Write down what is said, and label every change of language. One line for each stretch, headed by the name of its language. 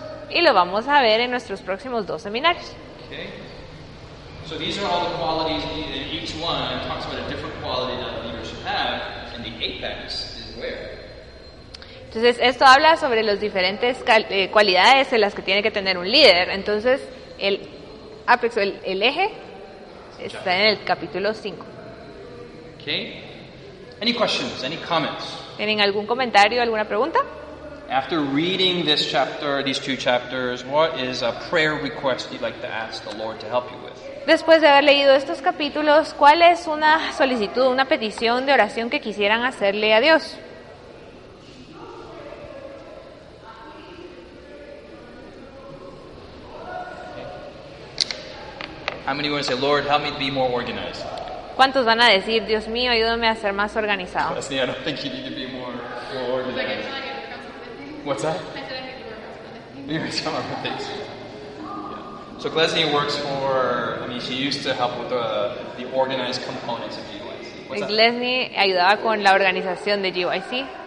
Spanish: Y lo vamos a ver en nuestros próximos dos seminarios.
English: Okay. So these are all the qualities in each one. It talks about a different quality that a leader should have, and the apex is where.
Spanish: Entonces esto habla sobre los diferentes cualidades en las que tiene que tener un líder. Entonces el apex, el eje, está en el capítulo 5.
English: Okay. Any questions? Any comments?
Spanish: ¿Tienen algún comentario, alguna pregunta?
English: After reading this chapter, these two chapters, what is a prayer request you'd like to ask the Lord to help you with?
Spanish: Después de haber leído estos capítulos, ¿cuál es una solicitud, una petición de oración que quisieran hacerle a Dios?
English: How many want to say, Lord, help me be more organized?
Spanish: ¿Cuántos van a decir, Dios mío, ayúdame a ser más organizado?
English: See, I don't think you need to be more organized. What's that? You're talking about things. So Glesny works for. I mean, she used to help with the organized components of GYC.
Spanish: Glesny ayudaba con la organización de GYC.